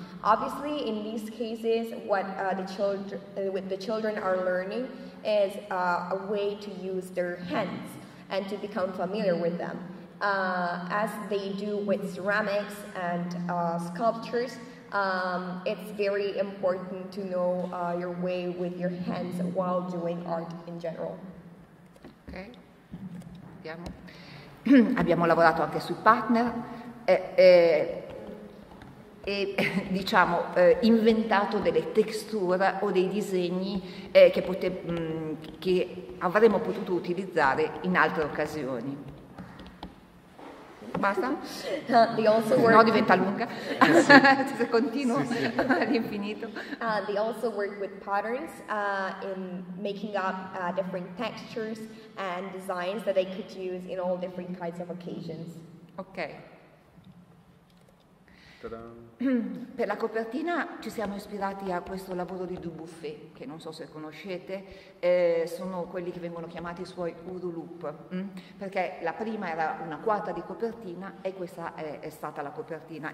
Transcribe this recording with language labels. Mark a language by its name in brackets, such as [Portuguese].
[English] Obviously, in these cases, what the children are learning is a way to use their hands and to become familiar with them. As they do with ceramics and sculptures, it's very important to know your way with your hands while doing art in general. [Italian] Ok, vediamo. Abbiamo lavorato anche sui partner e diciamo inventato delle texture o dei disegni che avremmo potuto utilizzare in altre occasioni. Basta? No, diventa lunga. Se continuo all'infinito. [English] They also work with patterns in making up different textures and designs that they could use in all different kinds of occasions. Ok. [Italian] Per la copertina ci siamo ispirati a questo lavoro di Dubuffet, che non so se conoscete, sono quelli che vengono chiamati i suoi Uruloop, perché la prima era una quarta di copertina e questa è stata la copertina.